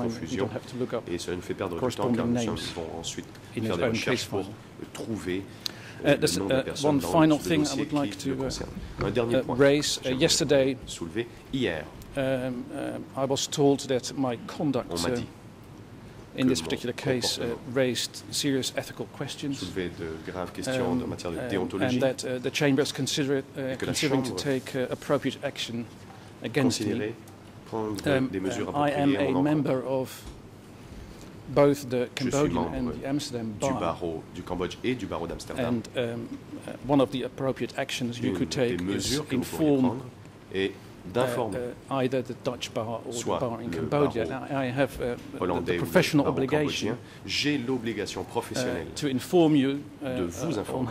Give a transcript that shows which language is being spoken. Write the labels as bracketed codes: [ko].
[fr] à confusion et ça nous fait perdre du temps car nous allons ensuite faire des recherches pour trouver [en] One final thing I would like to raise. Yesterday, I was told that my conduct in this particular case raised serious ethical questions, and that the chamber is considering to take appropriate action against me. I am a member of both the Cambodian and the Amsterdam bar. [fr] Du barreau, du Cambodge et du barreau d'Amsterdam. [en] And one of the appropriate actions you could take is inform either the Dutch bar or the bar in Cambodia. Now, I have the professional obligation, [fr] j'ai l'obligation professionnelle [en] to inform you [fr] de vous informer